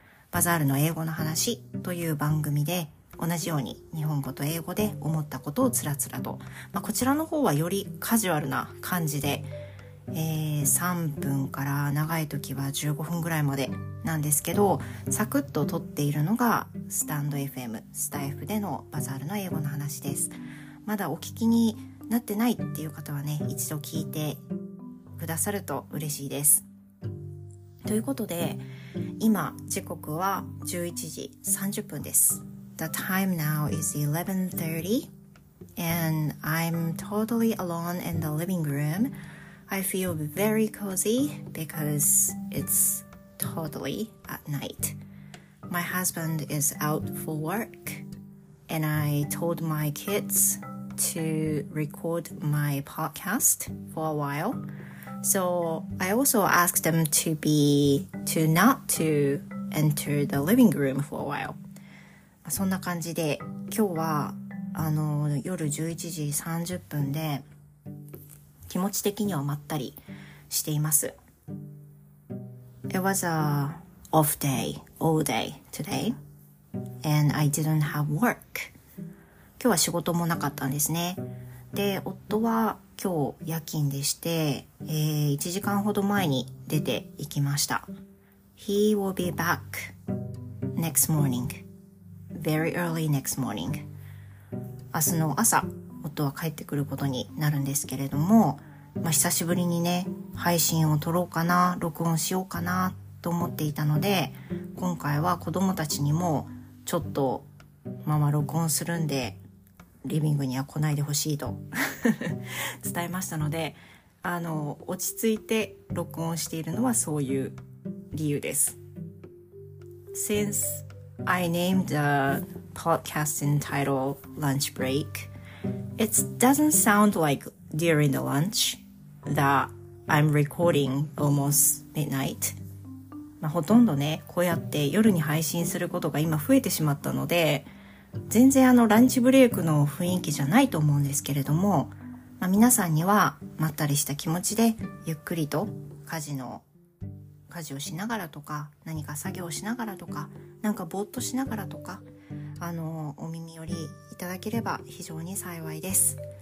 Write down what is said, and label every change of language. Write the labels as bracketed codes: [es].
[ja] バザールの英語の話という番組で、同じように日本語と英語で思ったことをつらつらと、こちらの方はよりカジュアルな感じで、3分から長い時は15分ぐらいまでなんですけど、サクッと撮っているのがスタンド FM、 スタイフでのバザールの英語の話です。まだお聞きになってないっていう方はね、一度聞いてくださると嬉しいです。ということで、今時刻は11時30分です。 [en] The time now is 11:30 and I'm totally alone in the living room. I feel very cozy because it's totally at night. My husband is out for work and I told my kids to record my podcast for a while. So I also asked them to not enter the living room for a while. [ja] そんな感じで、今日は夜11時30分で、気持ち的にはまったりしています。 [en] It was a off day, all day today, and I didn't have work. [ja] 今日は仕事もなかったんですね。で、夫は今日夜勤でして、1時間ほど前に出て行きました。 [en] He will be back next morning, very early next morning. [ja] 明日の朝、夫は帰ってくることになるんですけれども、久しぶりにね、配信を撮ろうかな、録音しようかなと思っていたので、今回は子供たちにもちょっとママ録音するんで、リビングには来ないでほしいと伝えましたので、落ち着いて録音しているのはそういう理由です。 [en] Since I named the podcast in title Lunch Break, it doesn't sound like during the lunch that I'm recording almost midnight. [ja] ほとんどね、こうやって夜に配信することが今増えてしまったので、全然ランチブレイクの雰囲気じゃないと思うんですけれども、皆さんにはまったりした気持ちでゆっくりと家事をしながらとか、何か作業をしながらとか、なんかぼーっとしながらとか、お耳寄りいただければ非常に幸いです。